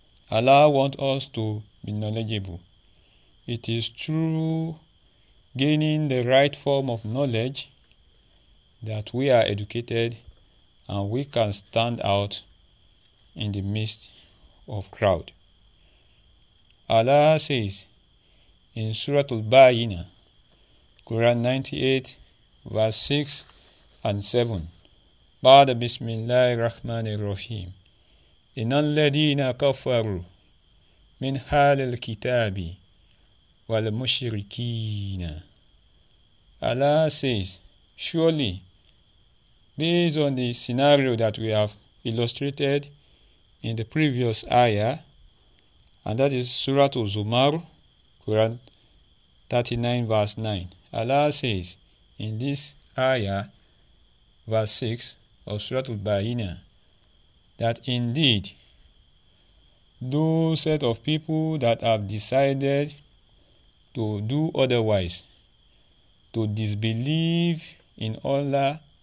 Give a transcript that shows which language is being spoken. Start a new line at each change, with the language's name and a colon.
English: Allah wants us to be knowledgeable. It is through gaining the right form of knowledge that we are educated and we can stand out in the midst of crowd. Allah says in Surah Al-Bayyinah, Quran 98, verse 6 and 7,
Arabic: بعد بسم الله الرحمن الرحيم إن الذين كفروا من حال الكتاب والمشركين.
English: Allah says, surely, based on the scenario that we have illustrated in the previous ayah, and that is Surah Az-Zumar, Quran 39, verse 9. Allah says, in this ayah, verse 6 of Surah Al-Bayyinah, that indeed, those set of people that have decided to do otherwise, to disbelieve in Allah's